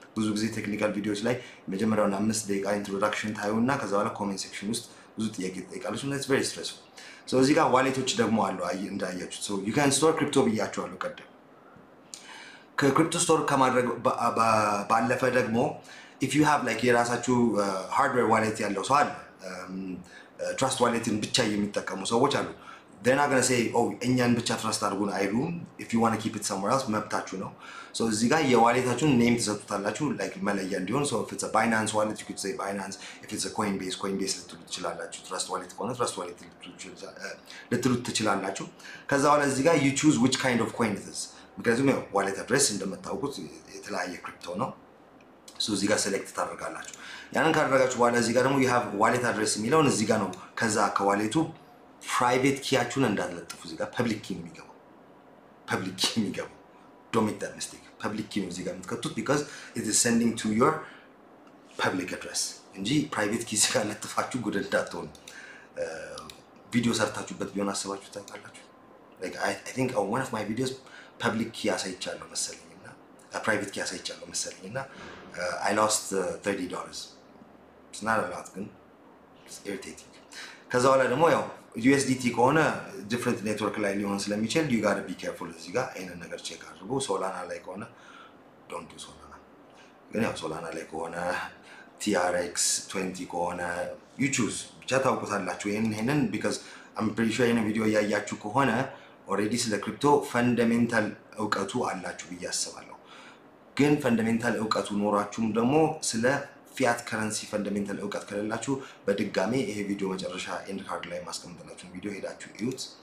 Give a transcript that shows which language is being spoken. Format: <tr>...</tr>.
<am>ብዙ ጊዜ ቴክኒካል ቪዲዮዎች ላይ መጀመሪያውን 5 ደቂቃ ኢንትሮዳክሽን ታዩና ከዛ በኋላ ኮሜንት ሴክሽን ውስጥ ብዙ ጥያቄ ጠይቃለች እና</am> <en>it's very stressful.</en> <am>So እዚህ ጋር ዋሌቶች ደግሞ አሉ እንዳያችሁ.</am> <en>So you can store crypto</en> <am>ብያችኋለሁ ቀደም. ከክሪፕቶ ስቶር ከማድረግ ባለፈ ደግሞ</am> <en>if you have like</en> <am>የራሳችሁ hardware wallet ያለው ሰው አለ, trust walletን ብቻ የሚጠቀሙ ሰዎች አሉ.</am> <en>They're not going to say, oh,</en> <am>እኛን ብቻ ትረስት አድርጉን አይሉም.</am> <en>If you want to keep it somewhere else,</en> <am>መብታችሁ ነው. So እዚህ ጋር የዋሌታችሁን ኔም ትሰጡታላችሁ like መለያ እንዲሆን.</am> <en>So if it's a Binance wallet, you could say Binance. If it's a Coinbase, Coinbase</en> <am>ልትሉት ትችላላችሁ. Trust wallet ከሆነ trust wallet ልትሉት ትችላላችሁ. ከዛ በኋላ እዚህ ጋር</am> <en>you choose which kind of coin it is.</en> <am>ምክንያቱም ዋሌት አድሬስ እንደምታውቁት የተለያየ ክሪፕቶ ነው. So እዚህ ጋር select ታደርጋላችሁ. ያንን ካደረጋችሁ በኋላ እዚህ ጋር ደግሞ</am> <en>you have wallet address</en> <am>የሚለውን እዚህ ጋር ነው ከዛ ከዋሌቱ private key-አችሁን እንዳትለጥፉ እዚህ ጋር public key ነው የሚገባው. public key ነው የሚገባው.</am> <en>don't make that mistake. Public key</en> <am>ነው ዚጋ የምትከቱት</am> <en>because it is sending to your public address.</en> <am>እንጂ private key ዚጋ ለጥፋችሁ ጉድ እንዳትሆኑ። ቪዲዮ ሰርታችሁበት ቢሆን አስባችሁ ታውቃላችሁ?</am> <en>Like I think one of my videos public key</en> <am>አሳይቻለሁ መሰለኝና private key አሳይቻለሁ መሰለኝና</am> <en>I lost $30. It's not a lot, gun. It's irritating.</en> <am>ከዛ በኋላ ደሞ ያው USDT ከሆነ different network ላይ ሊሆን ስለሚችል</am> <en>you got to be careful</en> <am>እዚህ ጋር አይነ ነገር check አድርጉ። Solana ላይ ከሆነ</am> <en>don't do Solana.</en> <am>ግን ያው Solana ላይ ከሆነ TRX 20 ከሆነ you choose ብቻ ታውቁታላችሁ ይሄንን</am> <en>because I'm pretty sure</en> <am>ይሄን ቪዲዮ ያያችሁ ከሆነ already ስለ crypto fundamental እውቀቱ አላችሁ ብዬ አስባለሁ። ግን fundamental እውቀቱ ኖራችሁም ደሞ ስለ fiat currency fundamental እውቀት ከሌላችሁ በድጋሚ ይሄ ቪዲዮ መጨረሻ end card ላይ ማስቀምጥላችሁን ቪዲዮ ሄዳችሁ እዩት።</am>